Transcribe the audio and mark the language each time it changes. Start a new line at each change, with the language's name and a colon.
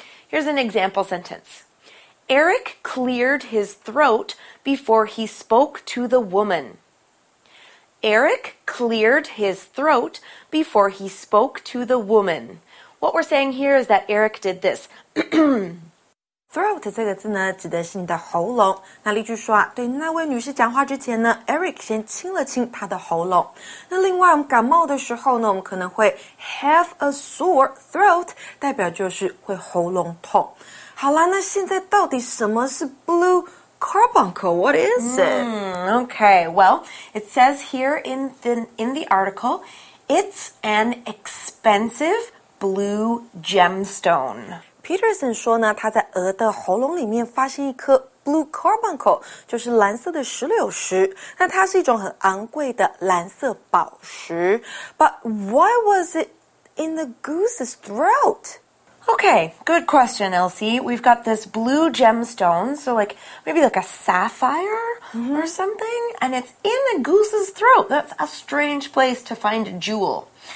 English: Here's an example sentence. Eric cleared his throat before he spoke to the woman. Eric cleared his throat before he spoke to the woman. What we're saying here is that Eric did this.
Chinese: Throat 这个字呢，指的是你的喉咙。那例句说啊，对那位女士讲话之前呢 ，Eric 先清了清她的喉咙。那另外，我们感冒的时候呢，我们可能会
English: have a sore throat，
Chinese: 代表就是会喉咙痛。好啦，那现在到底什么是 blue carbuncle？
English: What is it？ Okay, well, it says here in the article, it's an expensive blue gemstone.
Chinese: Peterson 说呢，他在鹅的喉咙里面发现一颗 blue carbuncle， 就是蓝色的石榴石。那它是一种很昂贵的蓝色宝石。
English: But why was it in the goose's throat? Okay, good question, Elsie. We've got this blue gemstone, so like maybe like a sapphire、mm-hmm. or something, and it's in the goose's throat. That's a strange place to find a jewel.